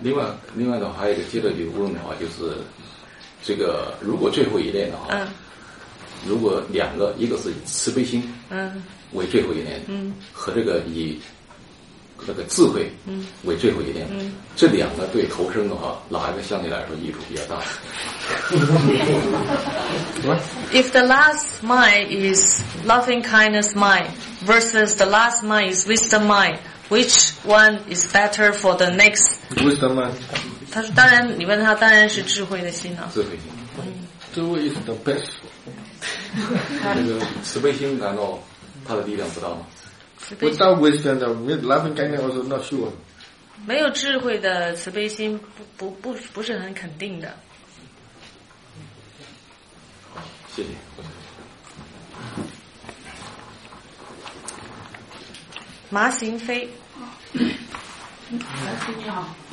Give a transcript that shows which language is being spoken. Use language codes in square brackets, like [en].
[zh] 另外的话，还有一个接着就问的话，就是这个如果最后一念的话，如果两个，一个是慈悲心，为最后一念，和这个以那个智慧，为最后一念，这两个对投生的话，哪一个相对来说益处比较大？ [en] If the last mind is loving kindness mind versus the last mind is wisdom mind, which one is better for the next? Wisdom mind. [zh] 他说：“当然，你问他，当然是智慧的心了。智慧心， [en] 智慧 is the best。 [zh] 那个慈悲心难道？” 他的力量不大吗？ [en] Without wisdom, with loving kindness also not sure. [zh] 没有智慧的慈悲心不是很肯定的。好，谢谢。麻行飞。你好。